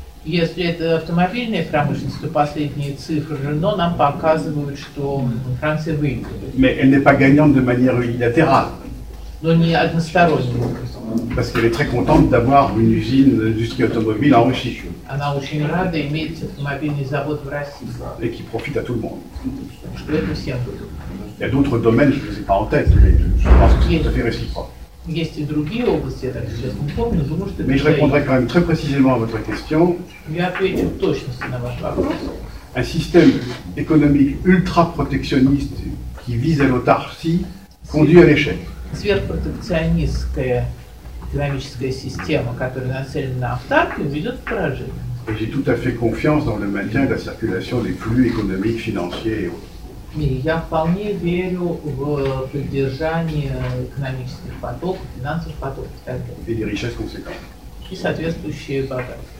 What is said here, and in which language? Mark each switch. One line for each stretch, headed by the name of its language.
Russian: если это автомобильная промышленность, то последние цифры Renault нам показывают, что Франция выигрывает.
French: Mais elle n'est pas gagnante de manière unilatérale.
Russian: Но не односторонне.
French: Parce qu'elle est très contente d'avoir une usine d'industrie automobile en Russie.
Russian: Она очень рада иметь автомобильный завод в России.
French: Et qui profite à tout le monde.
Russian: Что это всем.
French: Il y a d'autres domaines, je ne les ai pas en tête, mais je pense que c'est tout à fait réciproque.
Russian: Есть и другие области, я так сейчас не помню, потому что...
French: Mais je répondrai quand même très précisément à votre question.
Russian: Я отвечу в точности на ваш вопрос.
French: Un système économique ultra-protectionniste qui vise à l'autarcie conduit à l'échec.
Russian: Сверхпротекционистская экономическая система, которая нацелена на автарку, ведет к поражению.
French: J'ai tout à fait confiance dans le maintien de la circulation des flux économiques, financiers et autres.
Russian: И я вполне верю в поддержание экономических потоков, финансовых потоков и так далее. И соответствующие богатства.